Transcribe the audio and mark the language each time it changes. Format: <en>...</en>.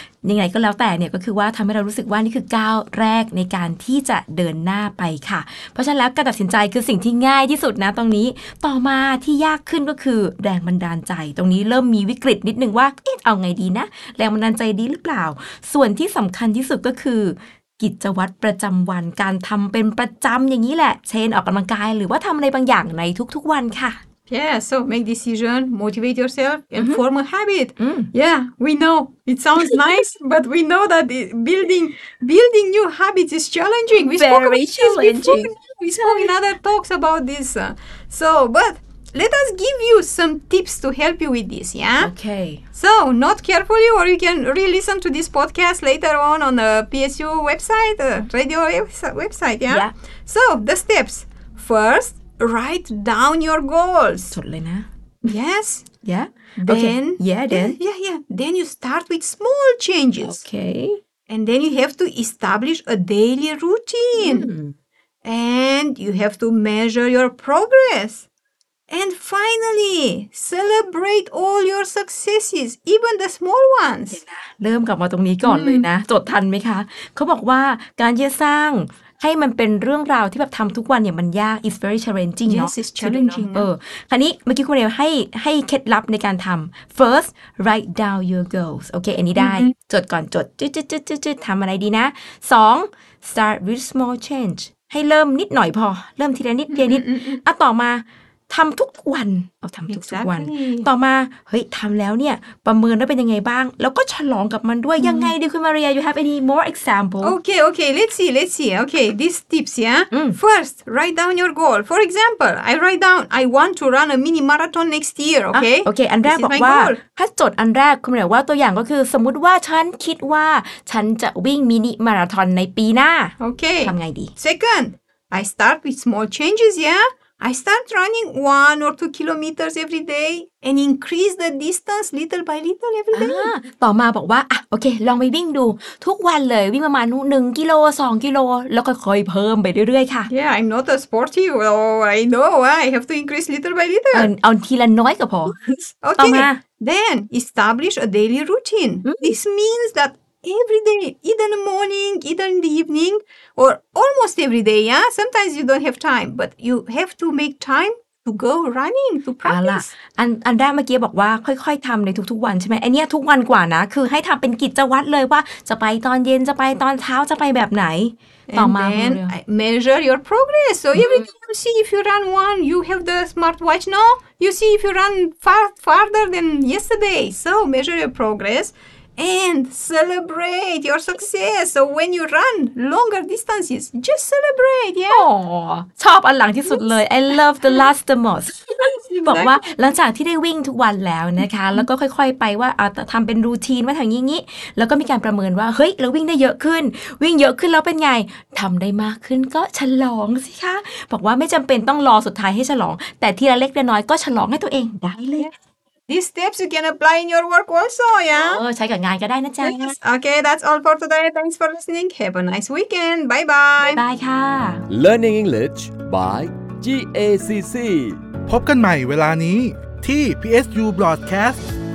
<th>ยังไงก็แล้วแต่เนี่ยก็คือว่าทำให้เรารู้สึกว่านี่คือก้าวแรกในการที่จะเดินหน้าไปค่ะเพราะฉะนั้นแล้วการตัดสินใจคือสิ่งที่ง่ายที่สุดนะตรงนี้ต่อมาที่ยากขึ้นก็คือแรงบันดาลใจตรงนี้เริ่มมีวิกฤตนิดนึงว่าเอาไงดีนะแรงบันดาลใจดีหรือเปล่าส่วนที่สำคัญที่สุดก็คือกิจวัตรประจำวันการทำเป็นประจำอย่างนี้แหละเช่นออกกำลังกายหรือว่าทำอะไรบางอย่างในทุกๆวันค่ะ</th> <en>Yeah, so make decision, motivate yourself, and form a habit. Mm. Yeah, we know it sounds nice, but we know that building new habits is challenging. We spoke about this before. We spoke in other talks about this. But let us give you some tips to help you with this, yeah? Okay. So, not carefully, or you can re-listen to this podcast later on the PSU website, radio website, yeah? Yeah. So, the steps. First, write down your goals. Totally, na. Yes. Yeah. Then. Okay. Yeah, then. Then you start with small changes. Okay. And then you have to establish a daily routine. Mm. And you have to measure your progress. And finally, celebrate all your successes, even the small ones.</en> <th>เริ่มกลับมาตรงนี้ก่อนเลยนะจดทันไหมคะเขาบอกว่าการจะสร้างให้มันเป็นเรื่องราวที่แบบทำทุกวันเนี่ยมันยาก</th> <en>it's very challenging</en> <th>เนาะ</th> <en>it's challenging</en> <th>เออคราวนี้เมื่อกี้คุณเรียวให้เคล็ดลับในการทำ</th> <en>first write down your goals</en> <th>โอเคอันนี้ได้จดก่อนจดจุดทำอะไรดีนะ 2.</th> <en>start with small change</en> <th>ให้เริ่มนิดหน่อยพอเริ่มทีละนิดอ่ะต่อมาทำทุกวันเอาทำทุกวันต่อมาเฮ้ยทำแล้วเนี่ยประเมินแล้วเป็นยังไงบ้างแล้วก็ฉลองกับมันด้วยยังไงดีคุณมาเรีย</th> <en>you have any more example okay let's see okay these tips yeah first write down your goal for example I write down I want to run a mini marathon next year okay</en> <th>okay อันแรกบอกว่าถ้าจดอันแรกคุณมาเรียว่าตัวอย่างก็คือสมมติว่าฉันคิดว่าฉันจะวิ่งมินิมาราธอนในปีหน้า</th> <en>okay</en> <th>ทำไงดี</th> <en>second I start with small changes yeahI start running 1 or 2 kilometers every day and increase the distance little by little every day.</en> <th>ต่อมาบอกว่าอ่ะโอเคลองไปวิ่งดูทุกวันเลยวิ่งประมาณ1 กิโล 2 กิโลแล้วก็ค่อยเพิ่มไปเรื่อยๆค่ะ</th> <en>Yeah, I'm not a sportive. Oh, I know. I have to increase little by little.</en> <th>เอาทีละน้อยก็พอ</th> <en>Okay.</en> <th>ต่อมา</th> <en>Then establish a daily routine. This means that. Every day, either in the morning, either in the evening, or almost every day, yeah? Sometimes you don't have time, but you have to make time to go running, to practice.</en> <th>อันแรกเมื่อกี้บอกว่าค่อยๆทำในทุกๆวันใช่ไหมอันนี้ทุกวันกว่านะคือให้ทำเป็นกิจวัตรเลยว่าจะไปตอนเย็นจะไปตอนเช้าจะไปแบบไหนต่อมา</th> <en>And then measure your progress. So every day you see if you run one, you have the smartwatch, no? You see if you run farther than yesterday. So measure your progress. And celebrate your success. So when you run longer distances, just celebrate, yeah? Oh,</en> <th>ชอบอันหลังที่สุดเลย</th> <en>I love the last the most.</en> <th>บอกว่าหลังจากที่ได้วิ่งทุกวันแล้วนะคะ แล้วก็ค่อยๆไปว่าทำเป็นรูทีนว่าทางนี้แล้วก็มีการประเมินว่าเฮ้ยเราวิ่งได้เยอะขึ้นวิ่งเยอะขึ้นแล้วเป็นไงทำได้มากขึ้นก็ฉลองสิคะบอกว่าไม่จำเป็นต้องรอสุดท้ายให้ฉลองแต่ทีละเล็กทีละน้อยก็ฉลองให้ตัวเองได้เลย</th> <en>These steps you can apply in your work also, yeah?</en> <th>ใช้กับงานก็ได้นะจ๊ะ</th> <en>Okay, that's all for today. Thanks for listening. Have a nice weekend. Bye-bye. Bye-bye ค่ะ Learning English by GACC</en> <th>พบกันใหม่เวลานี้ที่ PSU Broadcast</th>